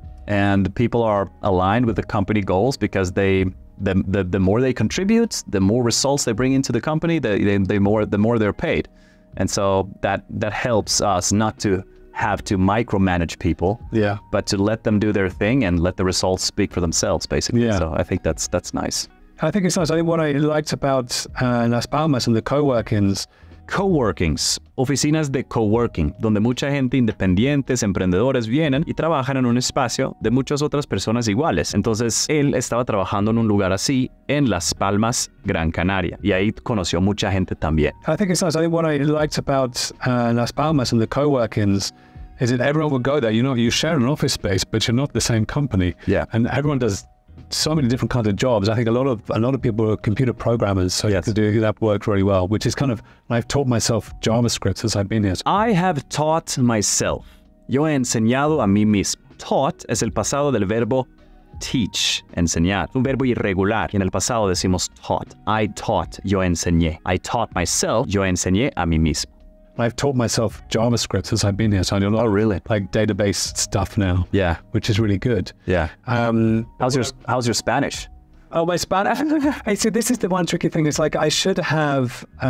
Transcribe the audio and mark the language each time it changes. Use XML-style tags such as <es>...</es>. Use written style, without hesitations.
<en>And people are aligned with the company goals because the more they contribute, the more results they bring into the company, the more they're paid. And so that helps us not to have to micromanage people, yeah. But to let them do their thing and let the results speak for themselves, basically. Yeah. So I think that's nice. I think it's nice. I think what I liked about Las Palmas and the co-workings,</en> <es>oficinas de co-working, donde mucha gente independientes, emprendedores vienen y trabajan en un espacio de muchas otras personas iguales. Entonces, él estaba trabajando en un lugar así en Las Palmas, Gran Canaria, y ahí conoció mucha gente también.</es> <en>I think it's nice. I think what I liked about Las Palmas and the co-workings is that everyone would go there. You share an office space, but you're not the same company. Yeah. And everyone does so many different kinds of jobs. I think a lot of people are computer programmers, so yes. That worked really well, which is kind of, I've taught myself JavaScript since I've been here. I have taught myself.</en> <es>Yo he enseñado a mí mismo. Taught es el pasado del verbo teach, enseñar. Un verbo irregular. Y en el pasado decimos taught.</es> <en>I taught,</en> <es>yo enseñé.</es> <en>I taught myself,</en> <es>yo enseñé a mí mismo.</es> <en>I've taught myself JavaScript since I've been here, so I know a lot of, really? Like database stuff now. Yeah, which is really good. Yeah. How's your Spanish? Oh, my Spanish. Hey, so this is the one tricky thing. It's like I should have.</en>